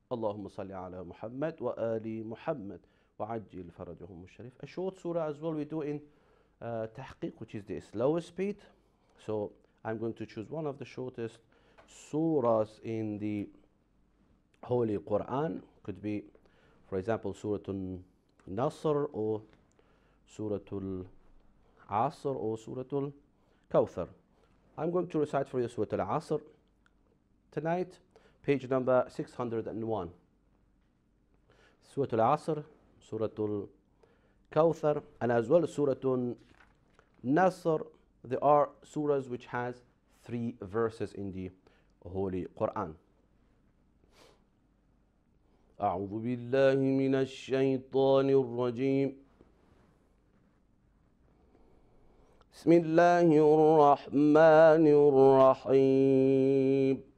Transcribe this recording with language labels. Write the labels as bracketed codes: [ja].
[ar] اللهم صل على محمد وآل محمد وعجل فرجهم الشريف. [en] A short surah as well. We do in tahqeeq, which is the slower speed. So I'm going to choose one of the shortest surahs in the Holy Quran. Could be, for example, Suratul Nasr or Suratul Asr or Suratul Kawthar. I'm going to recite for you Suratul Asr tonight, page number 601. Suratul Asr, Suratul Kawthar, and as well as Suratul Nasr. There are surahs which has three verses in the Holy Quran. [ar] أعوذ بالله من الشيطان الرجيم. بسم الله الرحمن الرحيم.